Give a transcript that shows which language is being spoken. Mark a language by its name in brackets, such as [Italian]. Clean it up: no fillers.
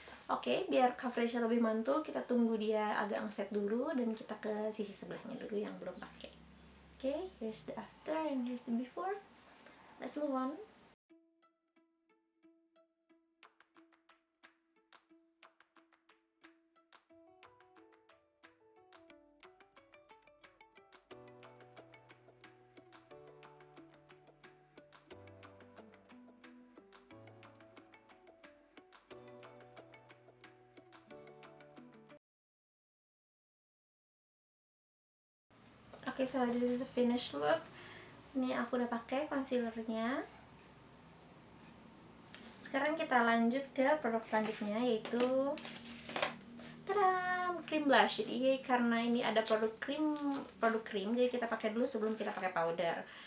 [Indonesian] Oke, okay, biar coveragenya lebih mantul, kita tunggu dia agak ngeset dulu dan kita ke sisi sebelahnya dulu yang belum pakai. [English] Oke, okay, here's the after and here's the before. Let's move on. Oke, okay, so this is the finished look. [Indonesian] Ini aku udah pakai concealernya. Sekarang kita lanjut ke produk selanjutnya, yaitu tadaaa, cream blush. Jadi karena ini ada produk cream, jadi kita pakai dulu sebelum kita pakai powder.